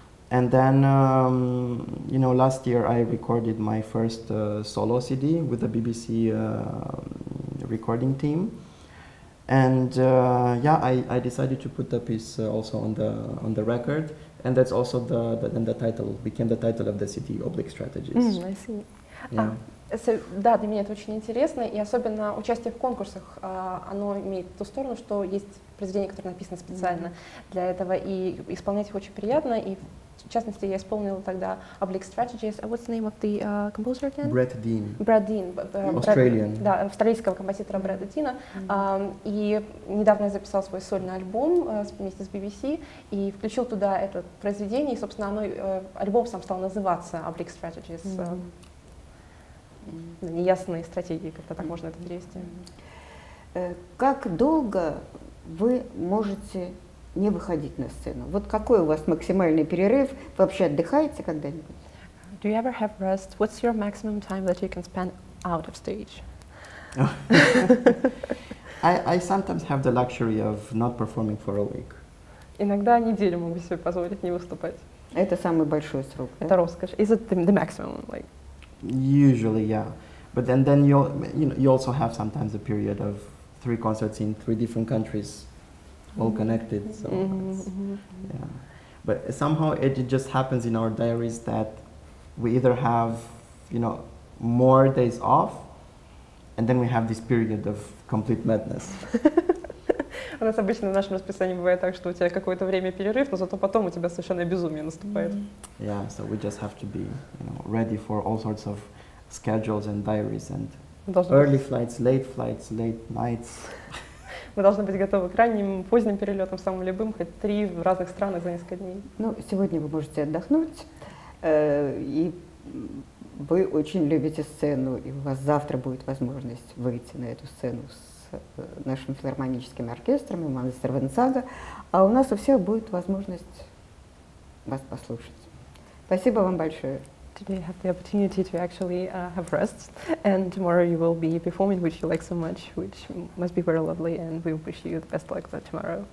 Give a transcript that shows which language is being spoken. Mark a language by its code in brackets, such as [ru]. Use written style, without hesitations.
[en] And then, you know, last year I recorded my first solo CD with the BBC recording team. And yeah, I decided to put the piece also on the record, and that's also the title became the title of the CD, Oblique Strategies. Mm, I see. Yeah. [ru] Да, для меня это очень интересно, и особенно участие в конкурсах, оно имеет ту сторону, что есть произведения, которые написаны специально для этого, и исполнять их очень приятно, и в частности я исполнила тогда Oblique Strategies. [en] What's the name of the composer again? [ru] Брэд Дин. Брэд Дин. [en] Australian. [ru] Да, австралийского композитора Брэда Дина. И недавно я записала свой сольный альбом вместе с BBC, и включила туда это произведение, и, собственно, оно, альбом сам стал называться Oblique Strategies. Неясные стратегии, как-то так можно это перевести. Как долго вы можете не выходить на сцену? Вот какой у вас максимальный перерыв? Вы вообще отдыхаете когда-нибудь? [en] Do you ever have rest? What's your maximum time that you can spend out of stage? I sometimes have the luxury of not performing for a week. [ru] Иногда неделю могу себе позволить не выступать. Это самый большой срок. Это роскошь. [en] Is it the maximum? Like? Usually, yeah, but then you also have sometimes a period of three concerts in three different countries, all connected. So, yeah, but somehow it just happens in our diaries that we either have, you know, more days off, and then we have this period of complete madness. [ru] У нас обычно в нашем расписании бывает так, что у тебя какое-то время перерыв, но зато потом у тебя совершенно безумие наступает. [en] Yeah, so we just have to be, you know, ready for all sorts of schedules and diaries and early flights, late nights. [ru] Мы должны быть готовы к ранним, поздним перелетам, самым любым, хоть три в разных странах за несколько дней. Ну, сегодня вы можете отдохнуть, и вы очень любите сцену, и у вас завтра будет возможность выйти на эту сцену с нашим филармоническим оркестром и Мандельштам Венцага, а у нас у всех будет возможность вас послушать. Спасибо вам большое. [en] Today you have the opportunity to actually have rest, and tomorrow you will be performing, which you like so much, which must be very lovely, and we wish you the best luck for tomorrow.